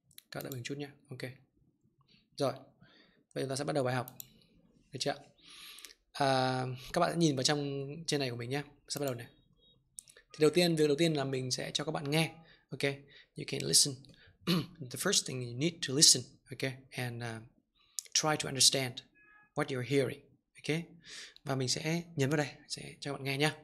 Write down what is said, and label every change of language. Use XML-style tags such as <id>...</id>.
<vi>Các đợi mình chút nhé. Ok, rồi. Vậy chúng ta sẽ bắt đầu bài học. Được chưa? Các bạn nhìn vào trong trên này của mình nhé. Sẽ bắt đầu này. Thì đầu tiên, việc đầu tiên là mình sẽ cho các bạn nghe.</vi> <en>Ok, you can listen. The first thing you need to listen, okay, and try to understand what you're hearing, okay?</en> <vi>Và mình sẽ nhấn vào đây, sẽ cho bạn nghe nhá.</vi>